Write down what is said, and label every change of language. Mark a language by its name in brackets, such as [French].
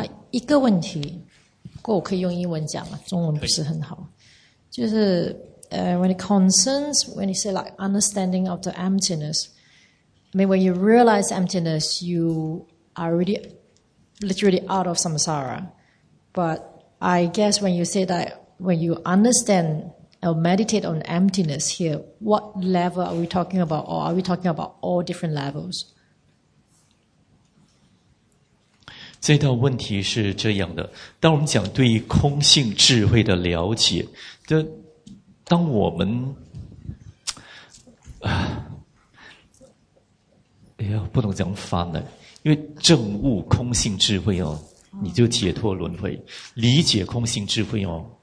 [Chinese] 一个问题，不过我可以用英文讲嘛，中文不是很好。就是 [English] when it concerns, when you say like understanding of the emptiness, I mean when you realize emptiness, you are already literally out of samsara. But I guess when you say that, when you understand. I'll meditate on emptiness here. What level are we talking about? Or are we talking about all different levels? [Chinese] 这道问题是这样的。当我们讲对空性智慧的了解，这当我们不能讲翻了，因为证悟空性智慧哦，你就解脱轮回，理解空性智慧哦。